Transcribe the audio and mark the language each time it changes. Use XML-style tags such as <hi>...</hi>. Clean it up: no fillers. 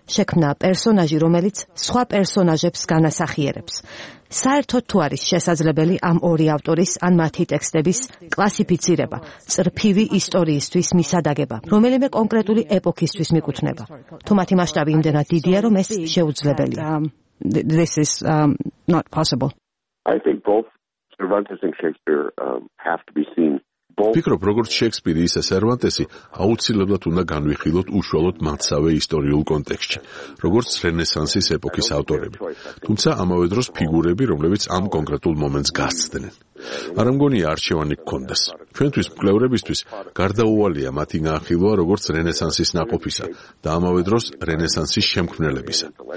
<ka>შექმნა პერსონაჟი, რომელიც სხვა პერსონაჟებს განასახიერებს. საერთოდ თუ არის შესაძლებელი ამ ორი ავტორის ან მათი ტექსტების კლასიფიცირება, წრფივი ისტორიისთვის მისადაგება, რომელიმე კონკრეტული ეპოქისთვის მიკუთვნება. თუ მათი მასშტაბი იმდენად დიდია, რომ ეს შეუძლებელია.</ka> <en>This is not possible. I think both Cervantes and Shakespeare have to be seen.</en> <ka>ფიქრობ, როგორც შექსპირი, ისე სერვანტესი, აუცილებლად უნდა განვიხილოთ უშუალოდ მათსავე ისტორიულ კონტექსტში, როგორც რენესანსის ეპოქის ავტორები, თუმცა ამავე დროს ფიგურები, რომლებიც ამ კონკრეტულ მომენტს გასცდნენ. არა მგონია არჩევანი გქონდეს. ჩვენთვის მკვლევრებისთვის გარდაუვალია მათი განხილვა, როგორც რენესანსის ნაყოფისა და ამავე დროს რენესანსის შემქმნელებისა.</ka>